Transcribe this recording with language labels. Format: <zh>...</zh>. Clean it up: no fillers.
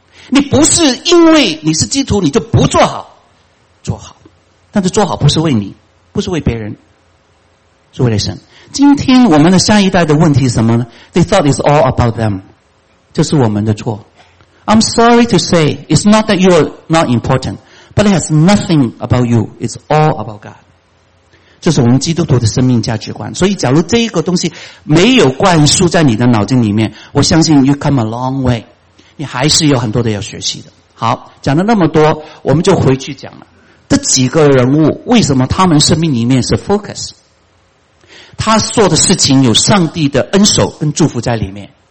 <zh>你不是因为你是基督徒你就不做好，做好，但是做好不是为你，不是为别人，是为了神。今天我们的下一代的问题是什么呢？</zh> <en>They thought it's all about them，</en> <zh>这是我们的错。</zh> <en>I'm sorry to say it's not that you are not important， but it has nothing about you， it's all about God。</en> <zh>这是我们基督徒的生命价值观。所以假如这一个东西没有灌输在你的脑筋里面，我相信</zh> <en>you come a long way，</en> <zh>你还是有很多的要学习的。好，讲了那么多，我们就回去讲了这几个人物为什么他们生命里面是 focus， 他做的事情有上帝的恩手跟祝福在里面。</zh>